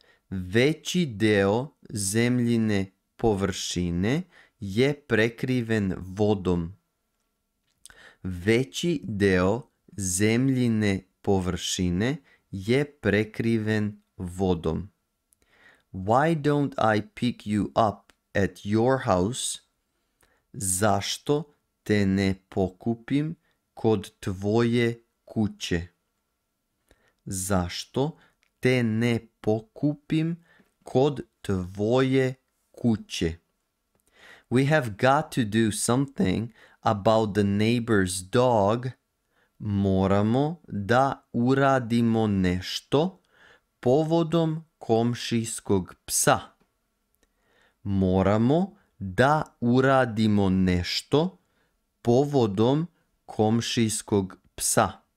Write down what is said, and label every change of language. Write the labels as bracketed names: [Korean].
[Serbian] Veći deo zemljine površine je prekriven vodom. Veći deo zemljine površine je prekriven vodom. [English] Why don't I pick you up at your house? [Serbian] Zašto te ne pokupim kod tvoje kuće? Zašto te ne pokupim kod tvoje kuće? [English] We have got to do something about the neighbor's dog. [Serbian] Moramo da uradimo nešto povodom komšijskog psa. Moramo da uradimo nešto povodom komšijskog psa.